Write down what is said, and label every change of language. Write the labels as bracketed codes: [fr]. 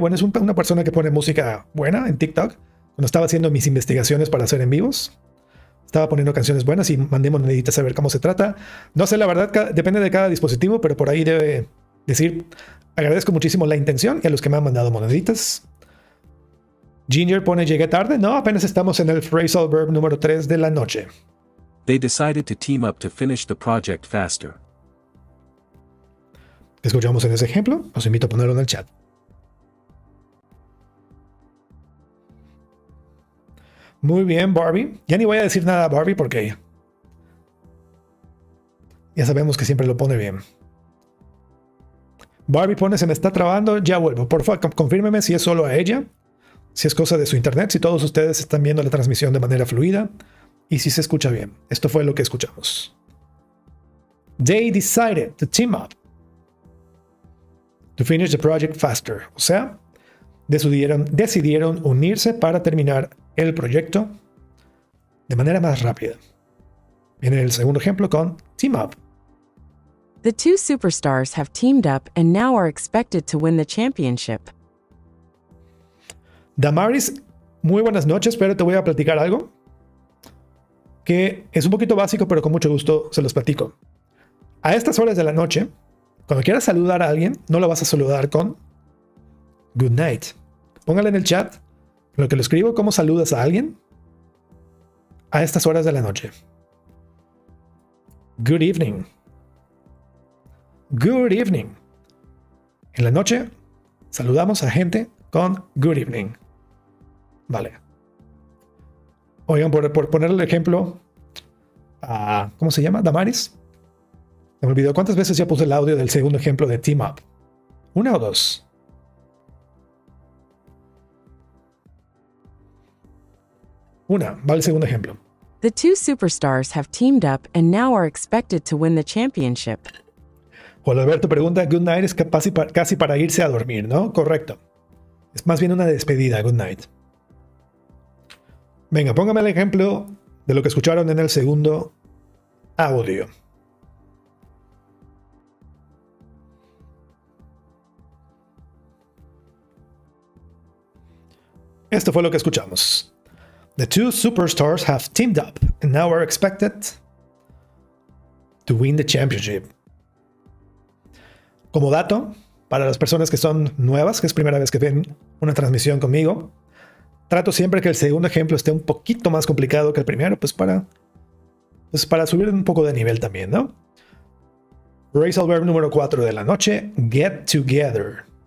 [es] Bueno, es una persona que pone música buena en TikTok. Cuando estaba haciendo mis investigaciones para hacer en vivos, estaba poniendo canciones buenas y mandé moneditas a ver cómo se trata. No sé, la verdad, depende de cada dispositivo, pero por ahí debe decir, agradezco muchísimo la intención y a los que me han mandado moneditas. Ginger pone, llegué tarde. No, apenas estamos en el phrasal verb número 3 de la noche. [en] They decided to team up to finish the project faster. [es] escuchamos en ese ejemplo, os invito a ponerlo en el chat. Muy bien, Barbie. Ya ni voy a decir nada a Barbie porque ya sabemos que siempre lo pone bien. Barbie pone, se me está trabando, ya vuelvo. Por favor, confírmeme si es solo a ella, si es cosa de su internet, si todos ustedes están viendo la transmisión de manera fluida y si se escucha bien. Esto fue lo que escuchamos. [en] They decided to team up to finish the project faster. [es] O sea, decidieron unirse para terminar el proyecto de manera más rápida. Viene el segundo ejemplo con team up. [en] The two superstars have teamed up and now are expected to win the championship. [es] Damaris, muy buenas noches, pero te voy a platicar algo que es un poquito básico, pero con mucho gusto se los platico. A estas horas de la noche, cuando quieras saludar a alguien, no lo vas a saludar con [en] good night. [es] Póngale en el chat lo que lo escribo, cómo saludas a alguien a estas horas de la noche. [en] Good evening. Good evening. [es] En la noche saludamos a gente con [en] good evening. [es] Vale. Oigan, por poner el ejemplo a... ¿cómo se llama? Damaris. Me olvidó. ¿Cuántas veces ya puse el audio del segundo ejemplo de Team Up? ¿Una o dos? Una. Va el segundo ejemplo. [en] The two superstars have teamed up and now are expected to win the championship. [es] Juan Alberto pregunta, [en] good night [es] es casi para irse a dormir, ¿no? Correcto. Es más bien una despedida, [en] good night. [es] Venga, póngame el ejemplo de lo que escucharon en el segundo audio. Esto fue lo que escuchamos. [en] The two superstars have teamed up and now are expected to win the championship. [es] Como dato, para las personas que son nuevas, que es primera vez que ven una transmisión conmigo, trato siempre que el segundo ejemplo esté un poquito más complicado que el primero, pues para subir un poco de nivel también, ¿no? Race al verb número 4 de la noche, get together.